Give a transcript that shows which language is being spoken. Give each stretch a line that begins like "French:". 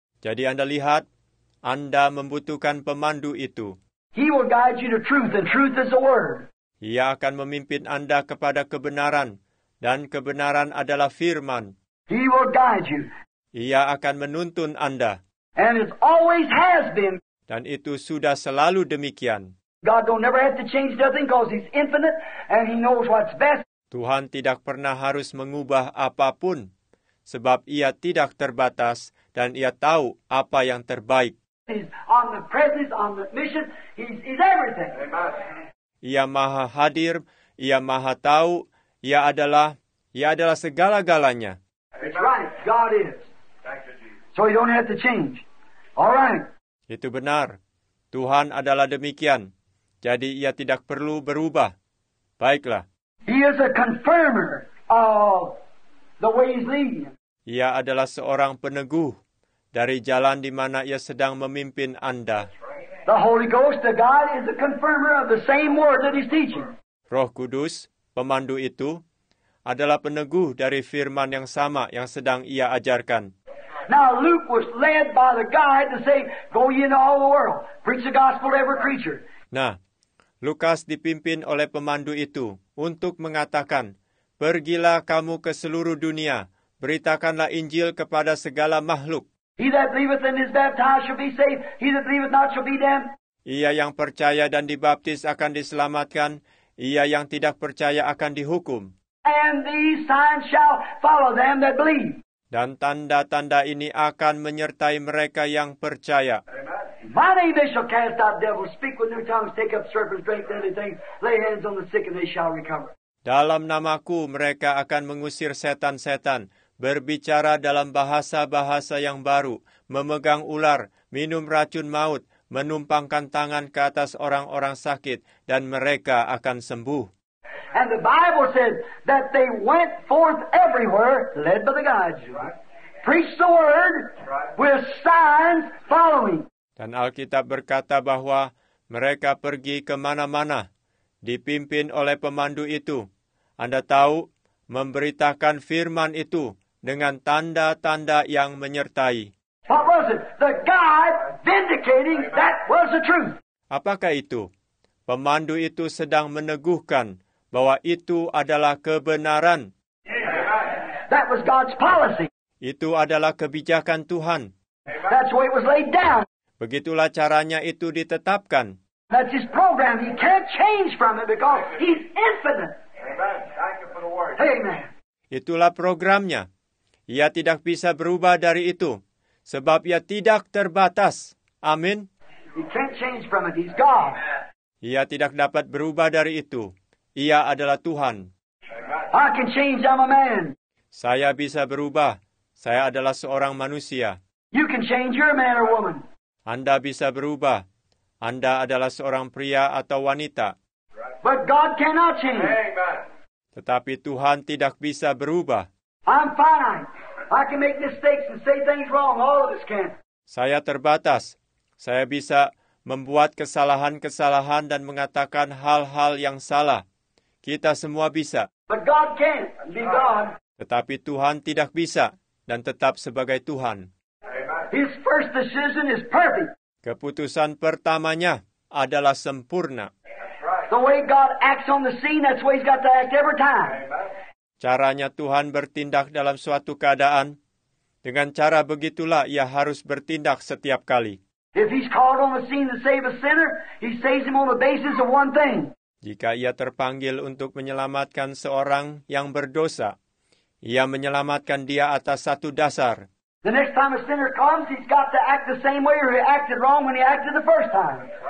Indonesian: Jadi Anda lihat, Anda membutuhkan pemandu itu.
English: He will guide you to truth, and truth is the word.
Indonesian: Ia akan memimpin Anda kepada kebenaran, dan kebenaran adalah firman.
English: He will guide you.
Indonesian: Ia akan menuntun Anda.
English: And it always has been.
Indonesian: Dan itu sudah selalu demikian.
English: God don't ever have to change nothing because he's infinite and he knows what's best.
Indonesian: Tuhan tidak pernah harus mengubah apapun, sebab ia tidak terbatas dan ia tahu apa yang terbaik.
English: He's on the presence, on the mission, he's everything.
Indonesian: Ia maha hadir, ia maha tahu, ia adalah segala-galanya.
English: That's right, God is. So you don't have to change. All right.
Indonesian: Itu benar. Tuhan adalah demikian. Jadi ia tidak perlu berubah. Baiklah.
English: He is a confirmer of the way he's leading.
Indonesian: Ia adalah seorang peneguh dari jalan di mana ia sedang memimpin Anda.
English: The Holy Ghost, the God, is a confirmer of the same word that he's teaching.
Indonesian: Roh Kudus, pemandu itu, adalah peneguh dari firman yang sama yang sedang ia ajarkan.
English: Now Luke was led by the guide to say, "Go ye into all the world, preach the gospel to every creature."
Indonesian: Nah, Lukas dipimpin oleh pemandu itu untuk mengatakan, "Pergilah kamu ke seluruh dunia, beritakanlah Injil kepada segala makhluk."
English: He that believeth and is baptized shall be saved. He that believeth not shall be damned.
Indonesian: Ia yang percaya dan dibaptis akan diselamatkan. Ia yang tidak percaya akan dihukum.
English: And these signs shall follow them that believe.
Indonesian: Dan tanda-tanda ini akan menyertai mereka yang percaya.
English: My name they shall cast out devils, speak with new tongues, take up serpents, drink deadly things, lay hands on the sick and they shall recover.
Indonesian: Dalam namaku mereka akan mengusir setan-setan, berbicara dalam bahasa-bahasa yang baru, memegang ular, minum racun maut, menumpangkan tangan ke atas orang-orang sakit, dan mereka akan sembuh.
English: And the Bible says that they went forth everywhere, led by the guides, preached the word with signs following.
Indonesian: Dan Alkitab berkata bahwa mereka pergi kemana-mana, dipimpin oleh pemandu itu. Anda tahu, memberitakan firman itu dengan tanda-tanda yang menyertai.
English: What was it? The guide vindicating that was the truth.
Indonesian: Apakah itu? Pemandu itu sedang meneguhkan bahwa itu adalah kebenaran.
English: That was God's policy.
Indonesian: Itu adalah kebijakan Tuhan.
English: That's why it was laid down.
Indonesian: Begitulah caranya itu ditetapkan.
English: That's his program. He can't change from it because he's infinite. Amen. Thank you for the word. Amen.
Indonesian: Itulah programnya. Ia tidak bisa berubah dari itu, sebab ia tidak terbatas. Amin.
English: He can't change from it. He's God.
Indonesian: Ia tidak dapat berubah dari itu. Ia adalah Tuhan.
English: I can change, I'm a man.
Indonesian: Saya bisa berubah. Saya adalah seorang manusia.
English: You can change, you're a man or woman.
Indonesian: Anda bisa berubah. Anda adalah seorang pria atau wanita.
English: But God cannot change. Amen.
Indonesian: Tetapi Tuhan tidak bisa berubah.
English: I'm finite. I can make mistakes and say things wrong. All of us can.
Indonesian: Saya terbatas. Saya bisa membuat kesalahan-kesalahan dan mengatakan hal-hal yang salah. Kita semua bisa.
English: But God can't be God.
Indonesian: Tetapi Tuhan tidak bisa dan tetap sebagai Tuhan.
English: His first decision is perfect.
Indonesian: Keputusan pertamanya adalah sempurna.
English: The way God acts on the scene, that's the way he's got to act every time.
Indonesian: Caranya Tuhan bertindak dalam suatu keadaan, dengan cara begitulah ia harus bertindak setiap kali.
English: If he's called on the scene to save a sinner, he saves him on the basis of one thing.
Indonesian: Jika ia terpanggil untuk menyelamatkan seorang yang berdosa, ia menyelamatkan dia atas satu dasar.
English: The next time a sinner comes, he's got to act the same way or he acted wrong when he acted the first time.